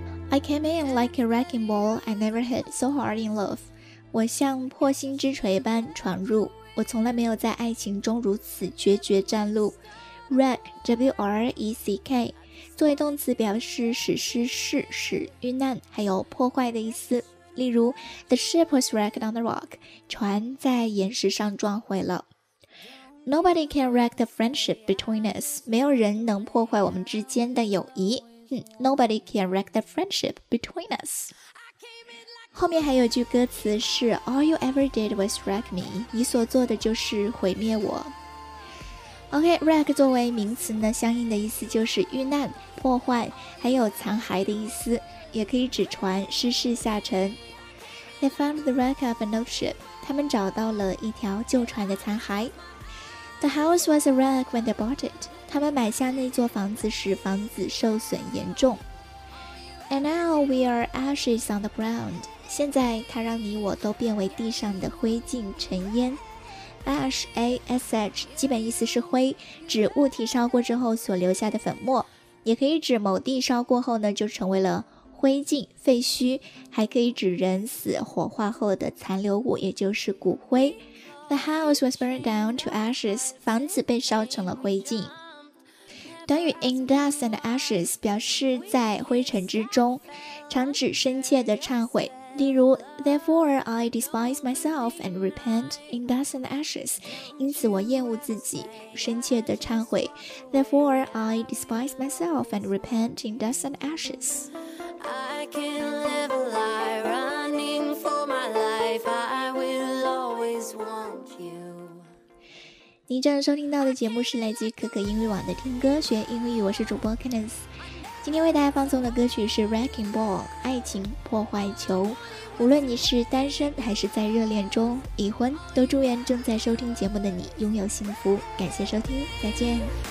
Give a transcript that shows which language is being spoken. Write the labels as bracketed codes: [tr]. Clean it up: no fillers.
[en] I came in like a wrecking ball, I never hit so hard in love. [zh] 我像破心之锤般闯入，我从来没有在爱情中如此决绝战路。 Wreck, W-R-E-C-K 作为动词表示使失事、使遇难还有破坏的意思。 [en] 例如 The ship was wrecked on the rock， [zh] 船在岩石上撞毁了。 [en] Nobody can wreck the friendship between us， [zh] 没有人能破坏我们之间的友谊。 [en] Nobody can wreck the friendship between us. 后面还有句歌词是 All you ever did was wreck me. [zh] 你所做的就是毁灭我。 OK, wreck 作为名词呢，相应的意思就是遇难、破坏，还有残骸的意思，也可以指船失事下沉。 [en] They found the wreck of an old ship. [zh] 他们找到了一条旧船的残骸。 [en] The house was a wreck when they bought it. [zh] 他们买下那座房子时，房子受损严重。 [en] And now we are ashes on the ground. [zh] 现在它让你我都变为地上的灰烬尘烟。 Ash, A-S-H, 基本意思是灰，指物体烧过之后所留下的粉末，也可以指某地烧过后呢，就成为了灰烬、废墟，还可以指人死火化后的残留物，也就是骨灰。 [en] The house was burned down to ashes. [zh] 房子被烧成了灰烬。短语 [en] in dust and ashes [zh] 表示在灰尘之中，常指深切的忏悔。 [en] 例如 Therefore I despise myself and repent in dust and ashes， [zh] 因此我厌恶自己，深切的忏悔。 [en] Therefore I despise myself and repent in dust and ashes。 I can live a lie running for my life, I will always want you。 [zh] 您正收听到的节目是来自于可可英语网的听歌学英语，我是主播 Kenneth。今天为大家放送的歌曲是 Wrecking Ball， 爱情破坏球。无论你是单身还是在热恋中，已婚都祝愿正在收听节目的你拥有幸福。感谢收听，再见。